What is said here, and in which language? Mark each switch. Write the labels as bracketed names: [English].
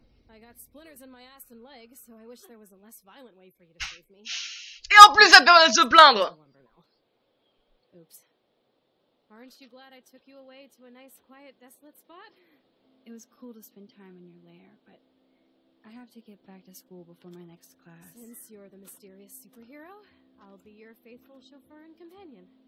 [English] I got splinters in my ass and legs, so I wish there was a less violent way for you to save me. [French] Et en plus, ça permet de se plaindre. Oops. [English] Aren't you glad I took you away to a nice, quiet, desolate spot? It was cool to spend time in your lair, but. I have to get back to school before my next class. Since you're the mysterious superhero, I'll be your faithful chauffeur and companion.